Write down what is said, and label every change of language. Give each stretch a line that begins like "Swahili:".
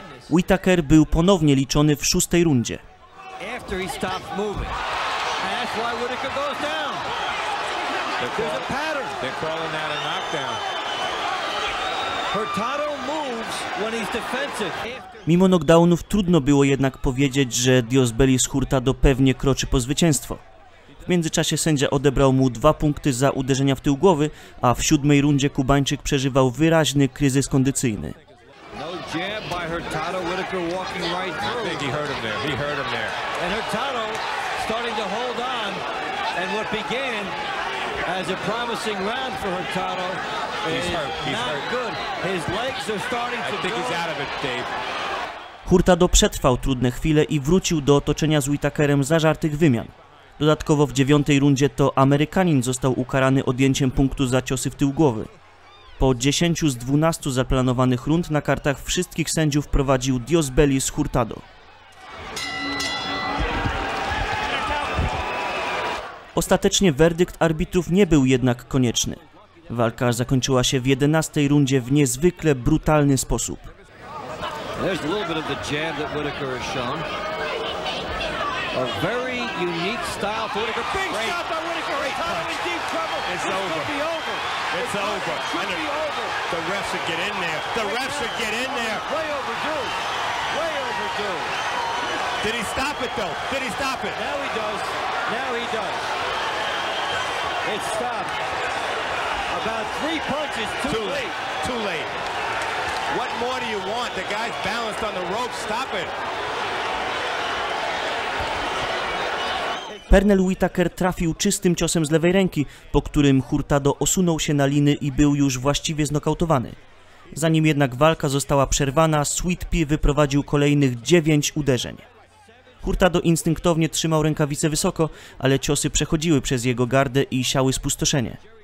Polish: Whitaker był ponownie liczony w szóstej rundzie.
English: After he stops moving. And that's why Whitaker goes down. There's a pattern. They're calling that a knockdown. Hurtado moves when he's defensive.
Polish: Mimo knockdownów trudno było jednak powiedzieć, że Diosbelis Hurtado pewnie kroczy po zwycięstwo. W międzyczasie sędzia odebrał mu 2 punkty za uderzenia w tył głowy, a w siódmej rundzie Kubańczyk przeżywał wyraźny kryzys kondycyjny.
English: No jab by Hurtado, Whitaker walking right through. I think he heard him there. He heard him there. And Hurtado starting to hold on, and what began as a promising round for Hurtado is not good. His legs are starting to go. I think he's out of it, Dave.
Polish: Hurtado przetrwał trudne chwile i wrócił do otoczenia z Whitakerem zażartych wymian. Dodatkowo w dziewiątej rundzie to Amerykanin został ukarany odjęciem punktu za ciosy w tył głowy. Po 10 z 12 zaplanowanych rund na kartach wszystkich sędziów prowadził Diosbelis Hurtado. Ostatecznie werdykt arbitrów nie był jednak konieczny. Walka zakończyła się w 11 rundzie w niezwykle brutalny sposób.
English: There's a little bit of the jab that Whitaker has shown. A very unique style for Whitaker. Big stop by Whitaker. Hurtado in deep trouble. It's over. It's over. The refs should get in there. The refs should get in there. Way overdue. Way overdue. Did he stop it though? Did he stop it? Now he does. Now he does. It stopped. About 3 punches too late. Too late. What more do you want? The guy's balanced on the rope. Stop it.
Polish: Pernell Whitaker trafił czystym ciosem z lewej ręki, po którym Hurtado osunął się na liny i był już właściwie znokautowany. Zanim jednak walka została przerwana, Sweet Pea wyprowadził kolejnych 9 uderzeń. Hurtado instynktownie trzymał rękawice wysoko, ale ciosy przechodziły przez jego gardę i siały spustoszenie.